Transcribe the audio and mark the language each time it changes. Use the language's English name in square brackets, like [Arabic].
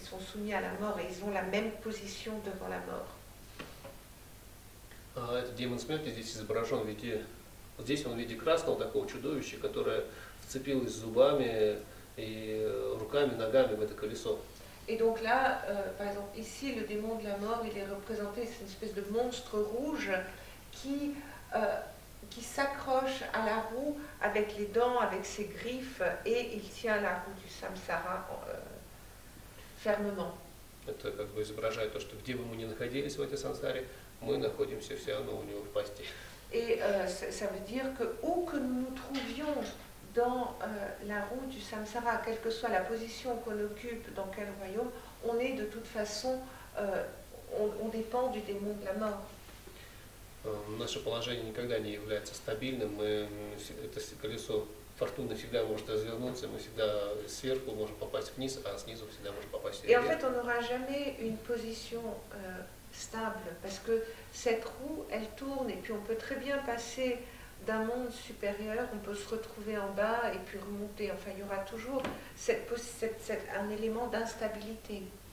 [French] Ils sont soumis à la mort et ils ont la même position devant la mort. [Russian] Этот демон смерти здесь изображен в виде, здесь он в виде красного такого чудовища, которое вцепилось зубами и руками, ногами в это колесо. [French] Et donc là, par exemple, ici, le démon de la mort, il est représenté, c'est une espèce de monstre rouge qui qui s'accroche à la roue avec les dents, avec ses griffes, et il tient la roue du samsara fermement. [Russian] Это как бы изображает то, что где бы мы ни находились в этой сансаре, мы находимся все равно у него в пасти. [French] Et ça veut dire que où que nous nous trouvions dans la roue du samsara, quelle que soit la position qu'on occupe dans quel royaume, on est de toute façon, on dépend du démon de la mort. [Russian] Наше положение никогда не является стабильным. Мы это колесо фортуны всегда может развернуться. Мы всегда сверху можем попасть вниз, а снизу всегда можем попасть вверх. [French] Et en fait, on n'aura jamais une position stable, parce que cette roue, elle tourne, et puis on peut très bien passer d'un monde supérieur, on peut se retrouver en bas et puis remonter. Enfin, il y aura toujours un élément d'instabilité.